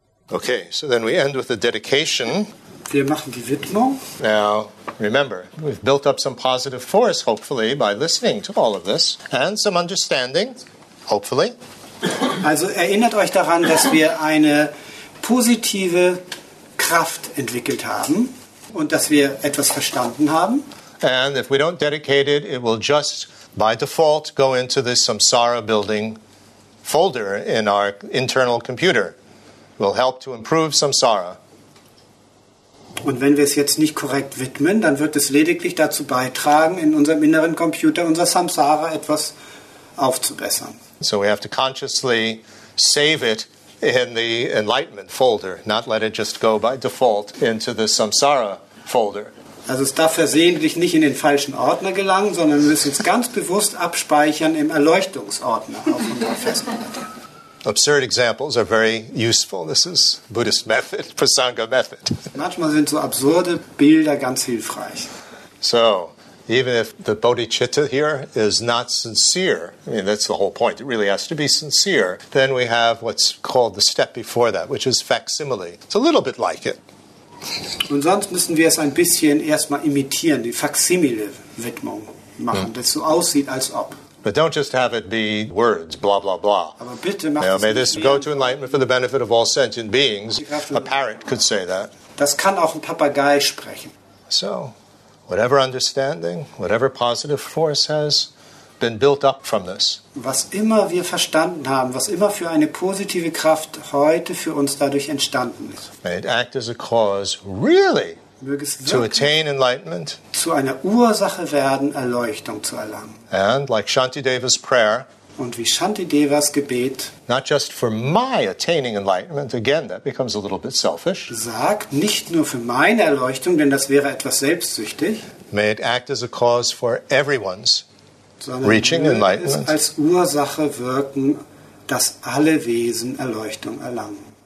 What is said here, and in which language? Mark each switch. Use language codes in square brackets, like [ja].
[en] Okay, so then we end with a dedication. [de] Wir machen die Widmung. [en] Now, remember, we've built up some positive force, hopefully, by listening to all of this, and some understanding, hopefully. [de] Also erinnert euch daran, dass wir eine positive Kraft entwickelt haben und dass wir etwas verstanden haben. [en] And if we don't dedicate it, it will just, by default, go into this samsara-building folder in our internal computer. Will help to improve samsara. [de] Und wenn wir es jetzt nicht korrekt widmen, dann wird es lediglich dazu beitragen, in unserem inneren Computer unser Samsara etwas aufzubessern. [en] So we have to consciously save it in the enlightenment folder, not let it just go by default into the samsara folder. [de] Also es darf versehentlich nicht in den falschen Ordner gelangen, sondern wir müssen es ganz bewusst abspeichern im Erleuchtungsordner auf unserer Festplatte. [en] Absurd examples are very useful. This is Buddhist method, Prasanga method. [de] Manchmal sind so absurde Bilder ganz hilfreich. [en] So, even if the bodhicitta here is not sincere, I mean, that's the whole point. It really has to be sincere. Then we have what's called the step before that, which is facsimile. It's a little bit like it. [de] Und sonst müssen wir es ein bisschen erstmal imitieren, die Facsimile-Widmung machen, das so aussieht, als ob. [en] But don't just have it be words, blah, blah, blah. [de] Aber bitte mach, [en] you know, may this go to enlightenment for the benefit of all sentient beings. A parrot could say that. [de] Das kann auch ein Papagei sprechen. [en] So, whatever understanding, whatever positive force has been built up from this. [de] Was immer wir verstanden haben, was immer für eine positive Kraft heute für uns dadurch entstanden ist. [en] May it act as a cause, really, to attain enlightenment, [de] zu einer Ursache werden, Erleuchtung zu erlangen. [en] And like Shantideva's prayer, [de] und wie Shantidevas Gebet, [en] not just for my attaining enlightenment, again, that becomes a little bit selfish, [de] sagt, nicht nur für meine Erleuchtung, denn das wäre etwas selbstsüchtig, [en] may it act as a cause for everyone's reaching enlightenment, [de] sondern als Ursache wirken, dass alle Wesen Erleuchtung erlangen.